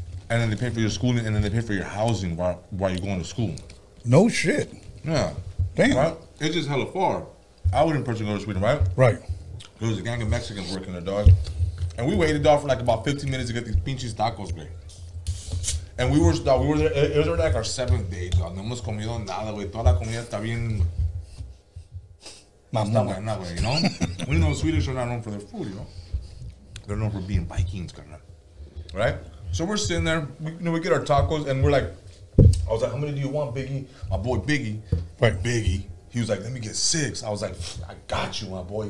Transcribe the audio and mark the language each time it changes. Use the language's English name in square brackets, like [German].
[English] And then they pay for your schooling, and then they pay for your housing while you're going to school. No shit. Yeah. Damn. Right? It's just hella far. I wouldn't personally go to Sweden, right? Right. There was a gang of Mexicans working there, dog. And we waited, dog, for like about 15 minutes to get these pinches tacos, babe. And we were, dog, we were there, it was already like our seventh day, dog. [Spanish] No hemos comido nada, güey. Toda la comida está bien. Mamá. [English] You know? We know Swedish are not known for their food, you know? They're known for being Vikings, kind of. Right? So we're sitting there, we get our tacos, and we're like, I was like, how many do you want, Biggie? My boy Biggie. Right. Biggie. He was like, let me get six. I was like, I got you, my boy.